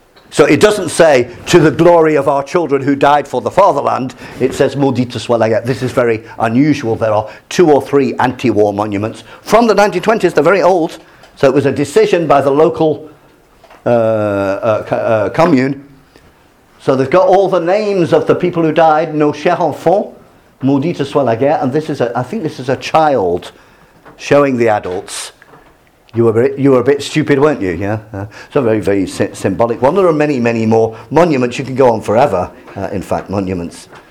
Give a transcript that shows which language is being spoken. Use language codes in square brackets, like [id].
[en] So it doesn't say, to the glory of our children who died for the fatherland. It says, [fr] Maudite soit la guerre. [en] This is very unusual. There are two or three anti-war monuments from the 1920s. They're very old. So it was a decision by the local commune. So they've got all the names of the people who died. [fr] Nos chers enfants, maudite soit la guerre. [en] And this is, I think this is a child showing the adults. You were a bit stupid, weren't you? Yeah. It's a very, very symbolic one. There are many, many more monuments. You can go on forever, in fact, monuments.